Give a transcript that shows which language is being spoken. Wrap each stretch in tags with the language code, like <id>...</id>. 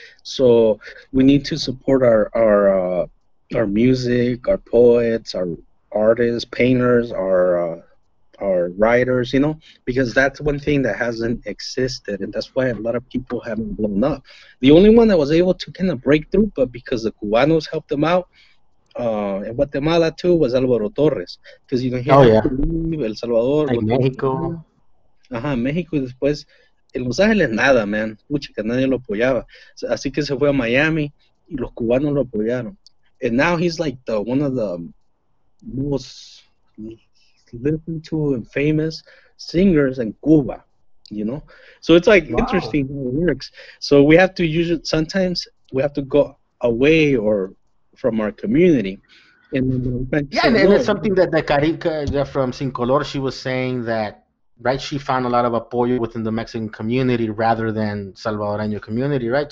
<en>So we need to support our music, our poets, our artists, painters, our writers, you know, because that's one thing that hasn't existed, and that's why a lot of people haven't blown up. The only one that was able to kind of break through, but because the Cubanos helped them out, in Guatemala too, was Álvaro Torres, because, you know, he El Salvador, like Mexico.</en> <es>Ajá, Mexico, y después, en Los Ángeles, nada, man, pucha, que nadie lo apoyaba, así que se fue a Miami, y los Cubanos lo apoyaron,</es> <en>and now he's like one of the most listen to and famous singers in Cuba, you know, so it's like, wow. Interesting how it works. So we have to use it, sometimes we have to go away or from our community, and it's something that Carica from Sin Color, she was saying that, right, she found a lot of apoyo within the Mexican community rather than Salvadoreño community, right?</en>